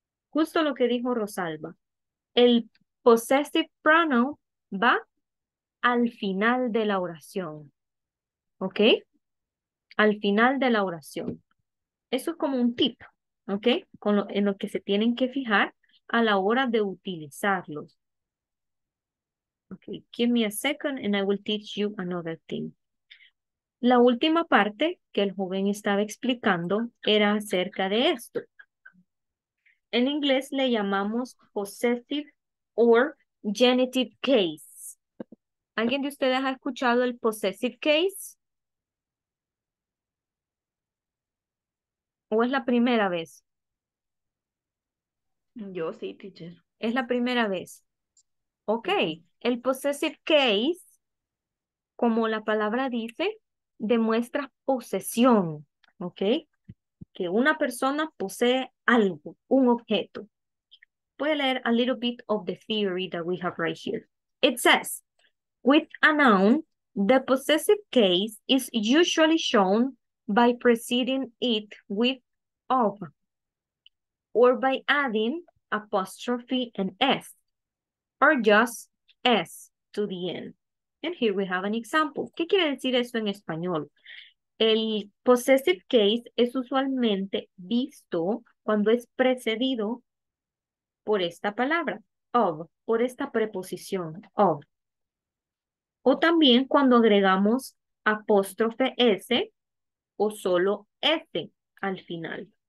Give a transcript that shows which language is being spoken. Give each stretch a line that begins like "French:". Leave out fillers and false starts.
Spanish: Justo lo que dijo Rosalba, el possessive pronoun va al final de la oración, ¿ok? Al final de la oración. Eso es como un tip, ¿ok? En lo que se tienen que fijar a la hora de utilizarlos.
English: Ok, give me a second and I will teach you another thing.
Spanish: La última parte que el joven estaba explicando era acerca de esto. En inglés le llamamos possessive or genitive case. ¿Alguien de ustedes ha escuchado el possessive case? ¿O es la primera vez? Yo sí, teacher. Es la primera vez. Ok, el possessive case, como la palabra dice, demuestra posesión, ¿ok? Que una persona posee algo, un objeto. Voy a leer
English: a little bit of the theory that we have right here. It says, with a noun, the possessive case is usually shown by preceding it with of, or by adding apostrophe and s, or just s to the end. And here we have an example.
Spanish: ¿Qué quiere decir esto en español? El possessive case es usualmente visto cuando es precedido por esta palabra, of, por esta preposición, of. O también cuando agregamos apóstrofe S o solo S al final.